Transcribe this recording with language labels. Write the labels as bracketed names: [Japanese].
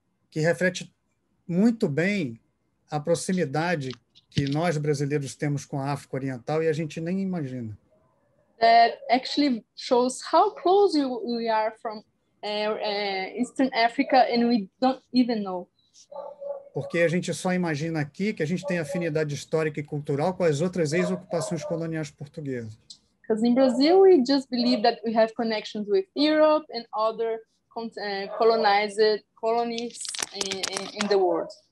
[Portuguese] Que reflete muito bem a proximidade que nós brasileiros temos com a África Oriental e a gente nem imagina. [English] That actually shows how close we are from Eastern Africa and we don't even know. [Portuguese] Porque a gente só imagina aqui que a gente tem afinidade histórica e cultural com as outras ex-ocupações coloniais portuguesas. [English] Because in Brazil we just believe that we have connections with Europe and other colonized colonies in the world.